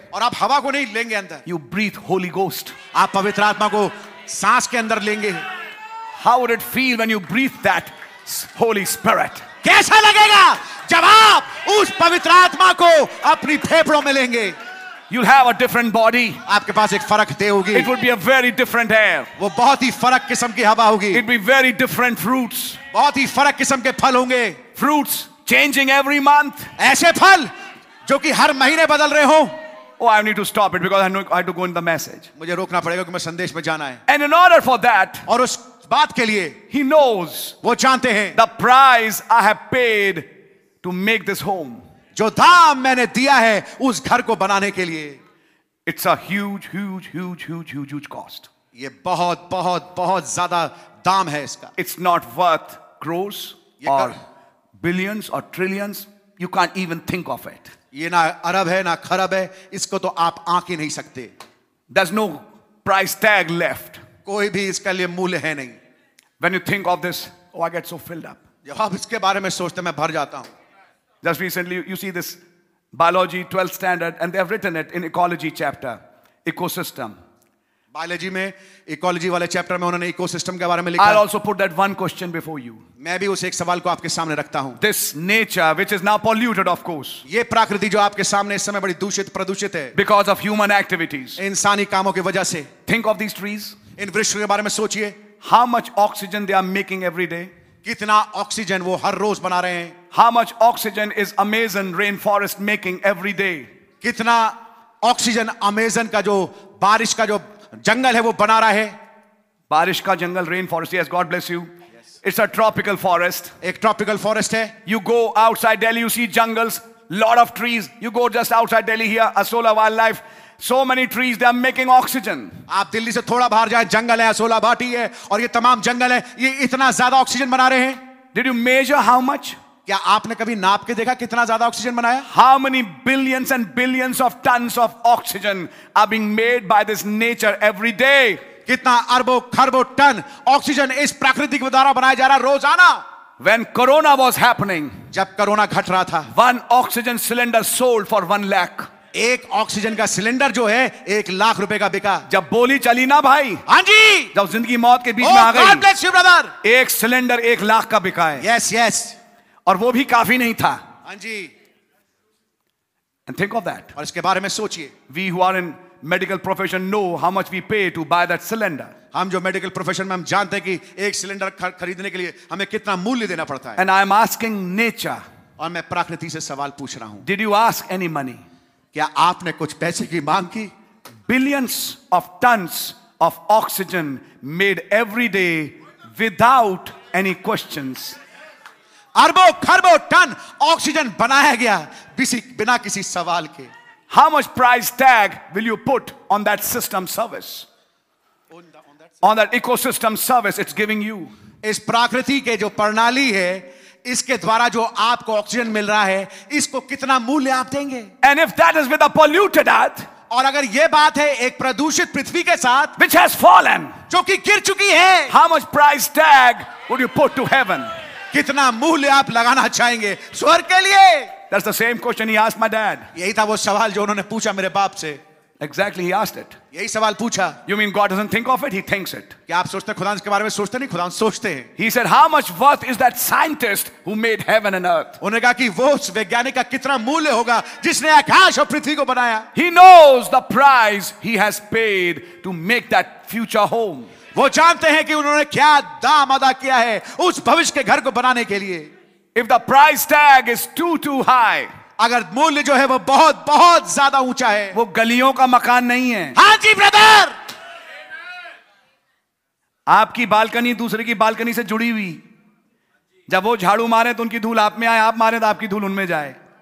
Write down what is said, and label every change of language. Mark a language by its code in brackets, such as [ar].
[hi] और आप हवा को नहीं लेंगे अंदर, [en] you breathe Holy Ghost, [hi] आप पवित्र आत्मा को सांस के अंदर लेंगे. [en] How would it feel when you breathe that Holy Spirit? [hi] कैसा लगेगा जब आप उस पवित्र आत्मा को अपनी फेफड़ों में लेंगे? [en] You'll have a different body. [hi] आपके पास एक फरक देह होगी. [en] It would be a very different air. [hi] वो बहुत ही फरक किस्म की हवा होगी. [en] It'd be very different fruits. [hi] बहुत ही फरक किस्म के फल होंगे. [en] Fruits. Changing every month. [hi] ऐसे फल जो कि हर महीने बदल रहे हो. [en] Oh, I need to stop it because I know I have to go in the message. [hi] मुझे रोकना पड़ेगा क्योंकि मैं संदेश में जाना है. [en] And in order for that, [hi] और उस बात के लिए, [en] he knows, [hi] वो जानते हैं, [en] the price I have paid to make this home. [hi] जो दाम मैंने दिया है उस घर को बनाने के लिए. [en] It's a huge cost. [hi] ये बहुत बहुत बहुत ज्यादा दाम है इसका. [en] It's not worth crores or billions or trillions. You can't even think of it. [hi] ये ना अरब है ना खरब है, इसको तो आप आंख ही नहीं सकते. [en] There's no price tag left. [hi] कोई भी इसके लिए मूल्य है नहीं. [en] When you think of this, oh, I get so filled up. [hi] जब आप इसके बारे में सोचते हैं, मैं भर जाता हूं. [en] Just recently, you see this biology 12th standard, and they have written it in ecology chapter, ecosystem. [hi] Biology में ecology वाले chapter में उन्होंने ecosystem के बारे में लिखा. [en] I'll also put that one question before you. [hi] मैं भी उस एक सवाल को आपके सामने रखता हूं. [en] This nature which is now polluted of course. [hi] ये प्रकृति जो आपके सामने इस समय बड़ी दूषित प्रदूषित है. [en] Because of human activities. [hi] इंसानी कामों की वजह से. [en] Think of these trees. [hi] इन वृक्षों के बारे में सोचिए. [en] How much oxygen they are making every day. [hi] कितना ऑक्सीजन वो हर रोज बना रहे हैं. [en] How much oxygen is Amazon rain forest making every day. [hi] कितना ऑक्सीजन अमेजन का जो बारिश का जो जंगल है वो बना रहा है. बारिश का जंगल rain forest. [en] Yes, God bless you. It's a tropical forest. [hi] एक tropical forest है. [en] You go outside Delhi, you see jungles, lot of trees. You go just outside Delhi here, Asola Wildlife, so many trees. They are making oxygen. [hi] आप दिल्ली से थोड़ा बाहर जाए, जंगल है, असोला भाटी है, और ये तमाम जंगल है, ये इतना ज्यादा ऑक्सीजन बना रहे हैं. [en] Did you measure how much? [hi] क्या आपने कभी नाप के देखा कितना ज्यादा ऑक्सीजन बनाया? [en] How many billions and billions of tons of oxygen are being made by this nature every day? [hi] कितना अरबों खरबों टन ऑक्सीजन इस प्राकृतिक द्वारा बनाया जा रहा रोजाना. [en] When corona was happening, [hi] जब कोरोना घट रहा था, [en] one oxygen cylinder sold for 1 lakh. [hi] एक ऑक्सीजन का सिलेंडर जो है 1 लाख रुपए का बिका. जब बोली चली ना भाई. हाँ जी. जब जिंदगी मौत के बीच में आ गई. [en] God bless you, brother. [hi] एक सिलेंडर 1 लाख का बिका है. [en] Yes, yes. [hi] और वो भी काफी नहीं था. हाँ जी. [en] And think of that. [hi] और इसके बारे में सोचिए. [en] We who are in medical profession know how much we pay to buy that cylinder. [hi] हम जो medical profession में हम जानते हैं कि एक cylinder खरीदने के लिए हमें कितना मूल्य देना पड़ता है. [en] And I am asking nature. [hi] और मैं प्राकृति से सवाल पूछ रहा हूँ. [en] Did you ask any money? [hi] क्या आपने कुछ पैसे की मांग की? [en] Billions of tons of oxygen made every day without any questions. [hi] अरबों खरबों टन ऑक्सीजन बनाया गया बिना किसी सवाल के. [en] How much price tag will you put on that system service? On that ecosystem service it's giving you. [hi] इस प्रकृति के जो प्रणाली है इसके द्वारा जो आपको ऑक्सीजन मिल रहा है इसको कितना मूल्य आप देंगे? [en] And if that is with a polluted earth, [hi] और अगर ये बात है एक प्रदूषित पृथ्वी के साथ, [en] which has fallen, [hi] जो कि गिर चुकी है, [en] how much price tag would you put to heaven? [hi] कितना मूल्य आप लगाना चाहेंगे स्वर्ग के लिए? [en] That's the same question he asked my dad. [hi] यही था वो सवाल जो उन्होंने पूछा मेरे बाप से. [en] Exactly, he asked it. [hi] यही सवाल पूछा. [en] You mean God doesn't think of it? He thinks it. [hi] क्या आप सोचते हैं खुदा इसके बारे में सोचते नहीं? खुदा सोचते हैं. [en] He said, how much worth is that scientist who made heaven and earth? [hi] उन्होंने कहा कि वो वैज्ञानिक का कितना मूल्य होगा जिसने आकाश और पृथ्वी को बनाया? [en] He knows the price he has paid to make that future home. [hi] वो जानते हैं कि उन्होंने क्या दाम अदा किया है उस भविष्य के घर को बनाने के लिए. [en] If the price tag is too high, [hi] अगर मूल्य जो है वो बहुत बहुत ज्यादा ऊंचा है, वो गलियों का मकान नहीं है. हाँ जी ब्रदर, आपकी बालकनी दूसरे की बालकनी से जुड़ी हुई. जब वो झाड़ू मारे तो उनकी धूल आप में आए, आप मारे तो आपकी धूल उनमें जाए.